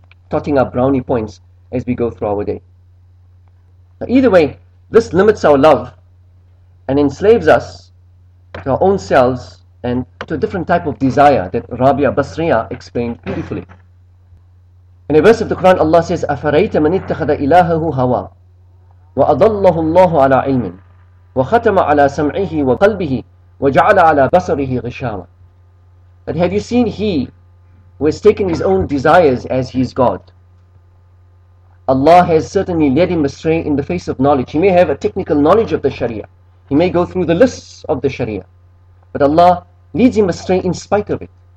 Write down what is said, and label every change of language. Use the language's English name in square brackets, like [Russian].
[English] Totting up brownie points as we go through our day. Now, either way, this limits our love and enslaves us to our own selves and to a different type of desire that Rabia Basriya explained beautifully. In a verse of the Quran, Allah says, [Arabic] أَفَرَيْتَ مَنِ اتَّخَذَ إِلَهَهُ هَوَى وَأَضَلَّهُ اللَّهُ عَلَىٰ عِلْمٍ وَخَتَمَ عَلَىٰ سَمْعِهِ وَقَلْبِهِ وَجَعَلَ عَلَىٰ بَصَرِهِ غِشَاوًا. [English] But have you seen he who has taken his own desires as his God? Allah has certainly led him astray in the face of knowledge. He may have a technical knowledge of the Sharia. He may go through the lists of the Sharia. But Allah leads him astray in spite of it.